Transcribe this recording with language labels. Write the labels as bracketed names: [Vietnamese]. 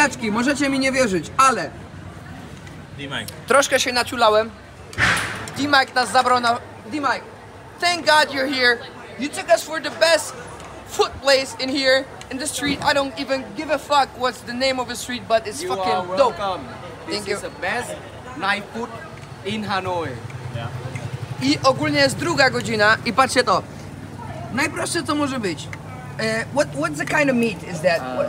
[Polish] Możecie mi nie wierzyć, ale D-Mike. Troszkę się naciulałem. D-Mike nas zabrał na... [English] D-Mike, thank God you're here. You took us for the best foot place in here, in the street. I don't even give a fuck what's the name of the street, but it's you fucking are dope. Thank you. This is the best night foot in Hanoi. Yeah. [Polish] I ogólnie jest druga godzina i patrzcie to. Najprostsze co może być. [English] What's the kind of meat is that?